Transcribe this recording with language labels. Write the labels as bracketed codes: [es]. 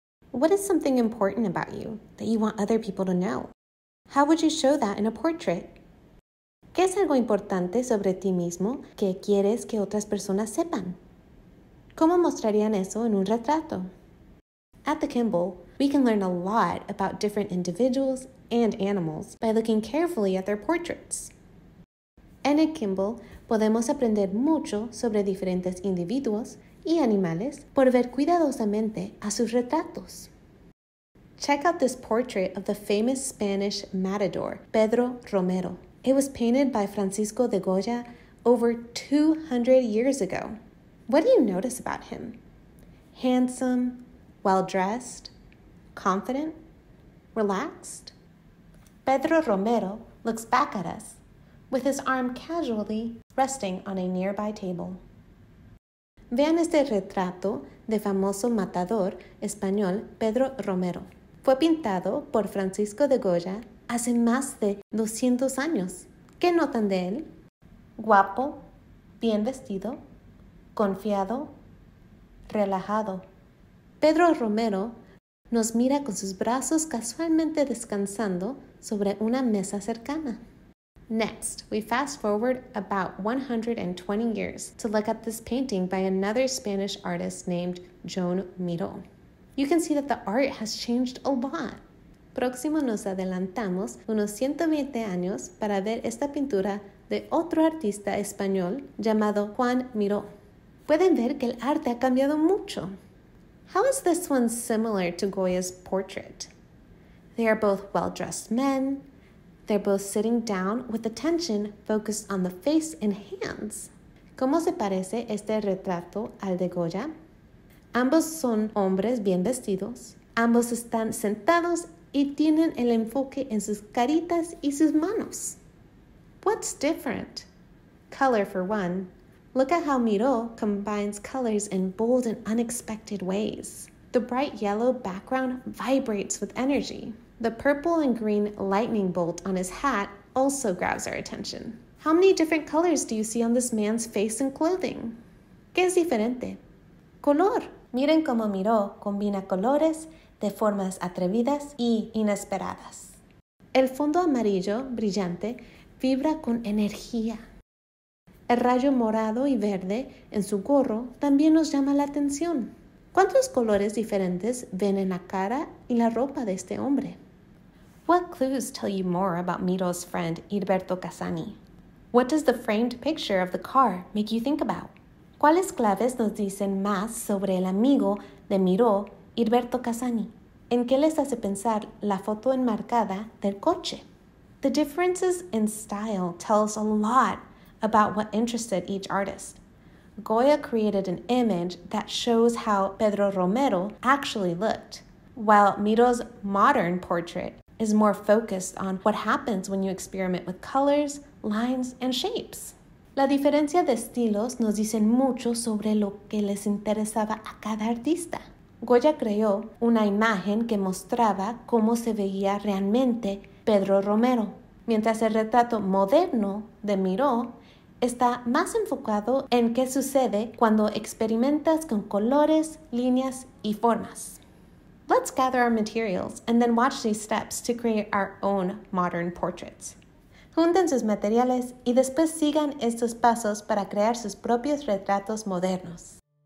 [en] What is something important about you that you want other people to know? How would you show that in a portrait? [es] ¿Qué es algo importante sobre ti mismo que quieres que otras personas sepan? ¿Cómo mostrarían eso en un retrato? [en] At the Kimball, we can learn a lot about different individuals and animals by looking carefully at their portraits. [es] En el Kimball, podemos aprender mucho sobre diferentes individuos y animales por ver cuidadosamente a sus retratos. [en] Check out this portrait of the famous Spanish matador, Pedro Romero. It was painted by Francisco de Goya over 200 years ago. What do you notice about him? Handsome, well-dressed, confident, relaxed? Pedro Romero looks back at us, with his arm casually resting on a nearby table. [es] Vean este retrato del famoso matador español Pedro Romero. Fue pintado por Francisco de Goya hace más de 200 años. ¿Qué notan de él? Guapo, bien vestido, confiado, relajado. Pedro Romero nos mira con sus brazos casualmente descansando sobre una mesa cercana. [en] Next, we fast forward about 120 years to look at this painting by another Spanish artist named Joan Miró. You can see that the art has changed a lot. [es] Próximo nos adelantamos unos 120 años para ver esta pintura de otro artista español llamado Joan Miró. Pueden ver que el arte ha cambiado mucho. [en] How is this one similar to Goya's portrait? They are both well-dressed men. They're both sitting down with attention focused on the face and hands. [es] ¿Cómo se parece este retrato al de Goya? Ambos son hombres bien vestidos. Ambos están sentados y tienen el enfoque en sus caritas y sus manos. [en] What's different? Color, for one. Look at how Miró combines colors in bold and unexpected ways. The bright yellow background vibrates with energy. The purple and green lightning bolt on his hat also grabs our attention. How many different colors do you see on this man's face and clothing? [es] ¿Qué es diferente? Color. Miren cómo Miró combina colores de formas atrevidas y inesperadas. El fondo amarillo brillante vibra con energía. El rayo morado y verde en su gorro también nos llama la atención. ¿Cuántos colores diferentes ven en la cara y la ropa de este hombre? [en] What clues tell you more about Miró's friend, Heriberto Casani? What does the framed picture of the car make you think about? [es] ¿Cuáles claves nos dicen más sobre el amigo de Miró, Heriberto Casani? ¿En qué les hace pensar la foto enmarcada del coche? [en] The differences in style tell us a lot about what interested each artist. Goya created an image that shows how Pedro Romero actually looked, while Miró's modern portrait is more focused on what happens when you experiment with colors, lines, and shapes. [es] La diferencia de estilos nos dicen mucho sobre lo que les interesaba a cada artista. Goya creó una imagen que mostraba cómo se veía realmente Pedro Romero, mientras el retrato moderno de Miró está más enfocado en qué sucede cuando experimentas con colores, líneas y formas. [en] Let's gather our materials and then watch these steps to create our own modern portraits. [es] Junten sus materiales y después sigan estos pasos para crear sus propios retratos modernos.